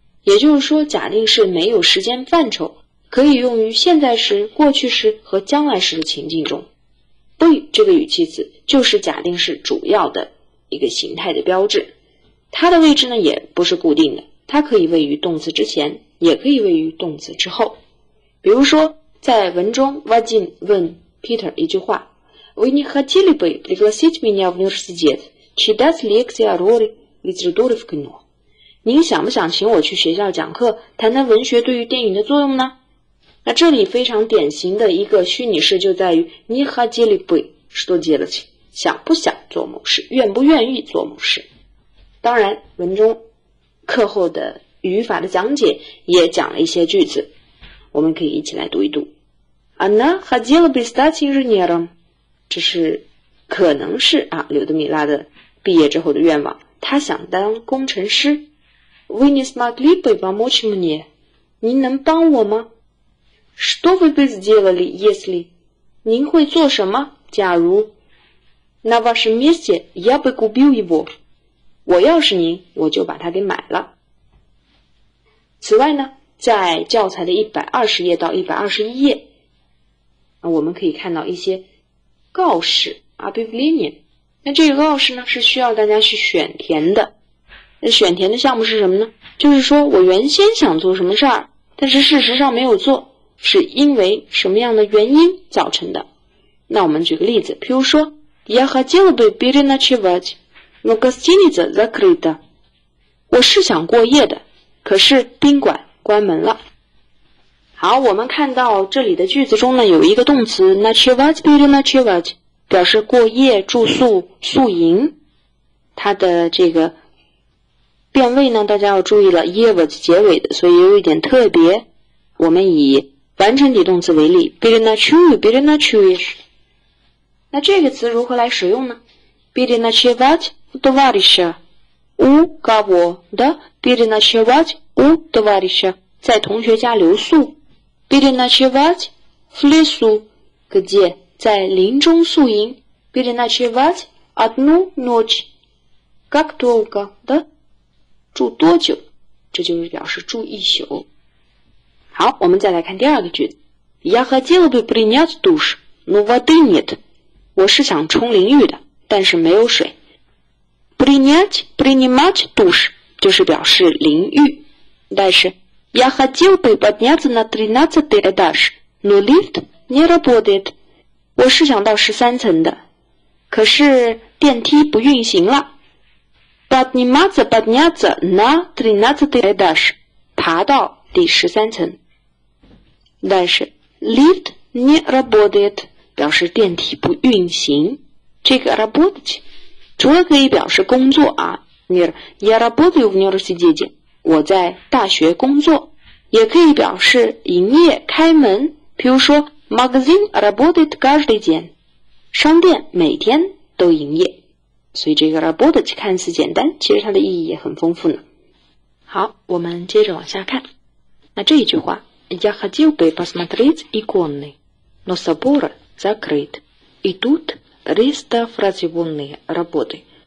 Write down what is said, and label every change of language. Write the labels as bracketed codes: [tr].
[zh] 也就是说，假定式没有时间范畴，可以用于现在时、过去时和将来时的情境中。不这个语气词就是假定式主要的一个形态的标志。它的位置呢，也不是固定的，它可以位于动词之前，也可以位于动词之后。比如说在文中 [ru] Вадим [zh] 问 [ru] Питер [zh] 一句话， [ru] Вы не хотели бы пригласить меня в университет читать лекции о роли литературы в кино？ [zh] 您想不想请我去学校讲课，谈谈文学对于电影的作用呢？那这里非常典型的一个虚拟式就在于 [ru] Не хотели бы что делать， [zh] 想不想做某事，愿不愿意做某事。当然文中课后的语法的讲解也讲了一些句子，我们可以一起来读一读。 [ru] Она хотела бы стать инженером， [zh] 这是可能是啊，柳德米拉的毕业之后的愿望，她想当工程师。 [ru] Вы не смогли бы помочь мне？ [zh] 您能帮我吗？ [ru] Что вы бы сделали, если？ [zh] 您会做什么？假如？ [ru] На вашем месте я бы купил его， [zh] 我要是您，我就把它给买了。此外呢，在教材的120页到121页，我们可以看到一些告示啊 ，pavilion。那这个告示呢，是需要大家去选填的。那选填的项目是什么呢？就是说我原先想做什么事儿，但是事实上没有做，是因为什么样的原因造成的？那我们举个例子，譬如说 [ru] ，Я хотел бы переночевать в гостинице закрыта。 [zh] 我是想过夜的，可是宾馆关门了。好，我们看到这里的句子中呢，有一个动词 ночевать, переночевать, 表示过夜、住宿、宿营。它的这个变位呢，大家要注意了 ,евать 结尾的，所以有一点特别。我们以完成底动词为例 ,переночую, переночуешь。那这个词如何来使用呢 ? [ru] переночевать у товарища, у кого, да, переночевать у товарища, [zh] 在同学家留宿。 [ru] Переночевать в лесу, где, [zh] 在林中宿营。 [ru] Переночевать одну ночь, как долго, да? [zh] 住多久？这就是表示住一宿。好，我们再来看第二个句子。 [ru] Я хотел бы принять душ, но воды нет. [zh] 我是想冲淋浴的，但是没有水。 [ru] Принимать душ, [zh] 就是表示淋浴，但是 [ru] Я хотел бы подняться на 13 этаж, но лифт не работает. [zh] 我是想到13层的，可是电梯不运行了。 [ru] Подняться на 13 этаж, [zh] 爬到第13层。但是 [ru] лифт не работает, [zh] 表示电梯不运行。这个 работать, 除了可以表示工作啊， [ru] я работаю в университете, [zh] 我在大学工作。也可以表示营业开门，比如说 [ru] magazine работает каждый день, [zh] 商店每天都营业。所以这个 работать 看似简单，其实它的意义也很丰富呢。好，我们接着往下看。 [ru] 那这一句话 Я хотел бы посмотреть иконы, но собор закрыт, и тут реставрационные работы.